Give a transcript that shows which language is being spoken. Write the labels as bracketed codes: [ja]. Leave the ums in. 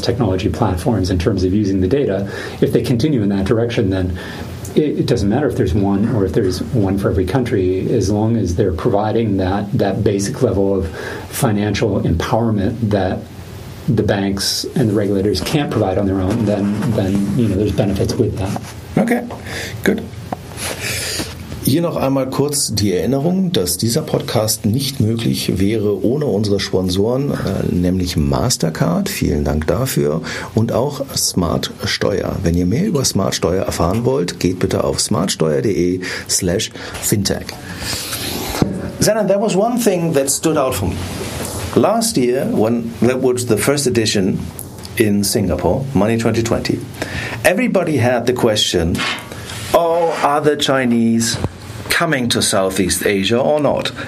[en] technology platforms in terms of using the data. If they continue in that direction, then it, doesn't matter if there's one or if there's one for every country, as long as they're providing that that basic level of financial empowerment that the banks and the regulators can't provide on their own, then then you know there's benefits with that. Okay, good. [de] Hier noch einmal kurz die Erinnerung, dass dieser Podcast nicht möglich wäre ohne unsere Sponsoren, nämlich Mastercard, vielen Dank dafür, und auch Smart Steuer. Wenn ihr mehr über Smart Steuer erfahren wollt, geht bitte auf smartsteuer.de slash fintech. [en] Zenon, there was one thing that stood out for me. Last year, when that was the first edition in Singapore, Money 2020, everybody had the question, oh, are the Chinese coming to Southeast Asia or not?